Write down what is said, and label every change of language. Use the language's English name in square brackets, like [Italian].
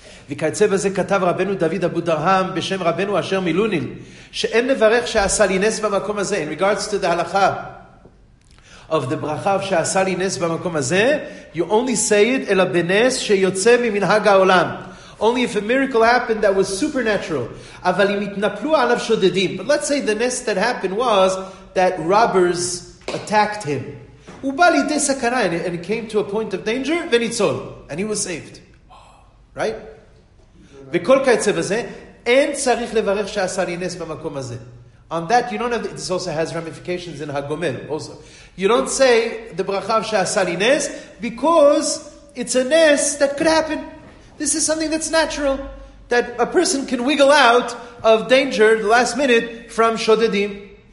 [Hebrew] וכייצא בזה כתב רבנו דוד אבו דרהם בשם רבנו אשר מילוניל שאין לברך שעשה לי נס במקום הזה. [English] In regards to the halakha of the [Hebrew] ברכה שעשה לי נס במקום הזה, [English] you only say it [Hebrew] אלא בנס שיוצא ממנהג העולם. [English] Only if a miracle happened that was supernatural. [Hebrew] אבל אם התנפלו עליו שודדים. [English] But let's say the nes that happened was that robbers attacked him. [Hebrew] הוא בא לידי סכנה, [English] and it came to a point of danger, [Hebrew] וניצול. [English] And he was saved. Right? [Hebrew] וכל קיצה בזה, אין צריך לברך שעשה לי נס במקום הזה. [English] On that, you don't have, this also has ramifications in הגומל also. You don't say, the ברכה שעשה לי נס, because it's a nes that could happen. This is something that's natural, that a person can wiggle out of danger the last minute from שודדים.